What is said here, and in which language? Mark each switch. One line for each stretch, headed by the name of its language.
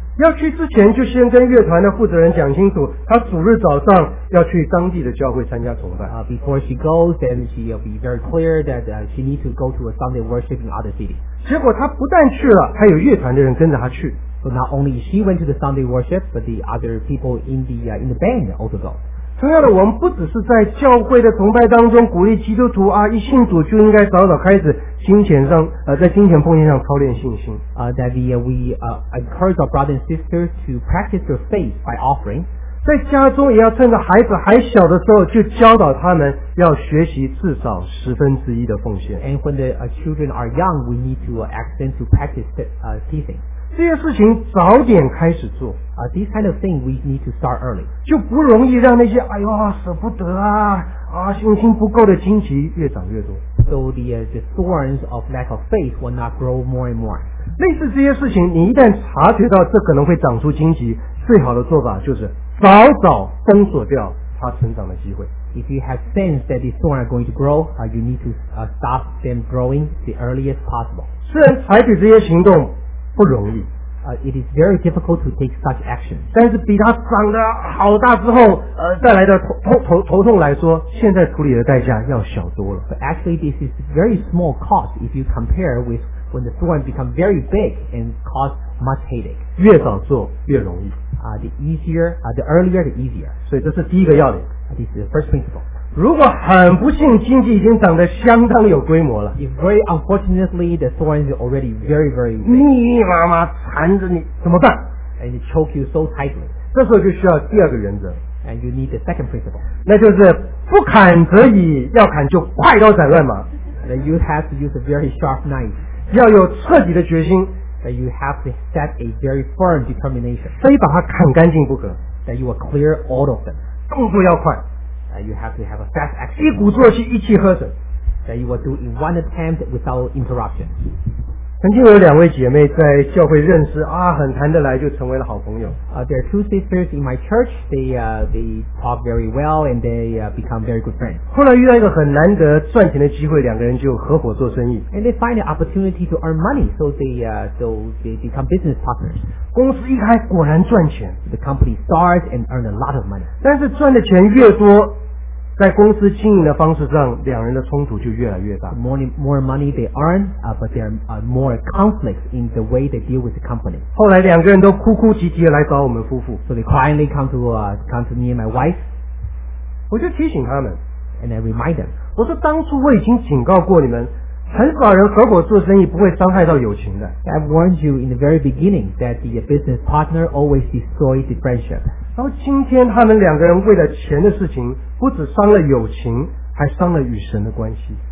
Chinese: 要去之前就先跟乐团的负责人讲清楚，他主日早上要去当地的教会参加崇拜。
English: Before she goes, then she will be very clear that she needs to go to a Sunday worship in other city.
Chinese: 结果他不但去了，还有乐团的人跟着他去。
English: So not only she went to the Sunday worship, but the other people in the band also go.
Chinese: 同样的，我们不只是在教会的崇拜当中鼓励基督徒啊，一信主就应该早早开始。在金钱奉献上操练信心。
English: That we encourage our brothers and sisters to practice their faith by offering.
Chinese: 在家中也要趁着孩子还小的时候就教导他们要学习至少十分之一的奉献。
English: And when the children are young, we need to ask them to practice tithing.
Chinese: 这些事情早点开始做。
English: These kind of things we need to start early.
Chinese: 就不容易让那些哎呦舍不得啊。信心不够的荆棘越长越多。
English: So the thorns of lack of faith will not grow more and more.
Chinese: 类似这些事情，你一旦察觉到这可能会长出荆棘，最好的做法就是早早封锁掉它成长的机会。
English: If you have sensed that these thorns are going to grow, you need to stop them growing the earliest possible.
Chinese: 虽然采取这些行动不容易。
English: It is very difficult to take such action.
Chinese: 但是比它长得好大之后，带来的头痛来说，现在处理的代价要小多了。
English: But actually, this is very small cost if you compare with when the thorn become very big and cause much headache.
Chinese: 越早做越容易。
English: The earlier, the easier.
Chinese: 所以这是第一个要领。
English: This is the first principle.
Chinese: 如果很不幸荆棘已经长得相当有规模了，
English: If very unfortunately the thorn is already very very big,
Chinese: 密密麻麻缠着你怎么办？
English: And it choke you so tightly.
Chinese: 这时候就需要第二个原则。
English: And you need the second principle.
Chinese: 那就是不砍则已，要砍就快刀斩乱麻。
English: That you have to use a very sharp knife.
Chinese: 要有彻底的决心。
English: That you have to set a very firm determination.
Chinese: 非把它砍干净不可。
English: That you will clear all of them.
Chinese: 动作要快。
English: You have to have a fast action.
Chinese: 一鼓作气，一气呵成。
English: That you will do in one attempt without interruption.
Chinese: 曾经有两位姐妹在教会认识啊，很谈得来，就成为了好朋友。
English: There are two sisters in my church. They talk very well and they become very good friends.
Chinese: 后来遇到一个很难得赚钱的机会，两个人就合伙做生意。
English: And they find an opportunity to earn money, so they become business partners.
Chinese: 公司一开果然赚钱。
English: The company starts and earns a lot of money.
Chinese: 但是赚的钱越多，在公司经营的方式上，两人的冲突就越来越大。
English: More money they earn, but there are more conflicts in the way they deal with the company.
Chinese: 后来两个人都哭哭啼啼来找我们夫妇。
English: So they quietly come to me and my wife.
Chinese: 我就提醒他们。
English: And I remind them.
Chinese: 我说当初我已经警告过你们，很少人合伙做生意不会伤害到友情的。
English: I warned you in the very beginning that the business partner always destroys the friendship.
Chinese: 然后今天他们两个人为了钱的事情，不只伤了友情，还伤了与神的关系。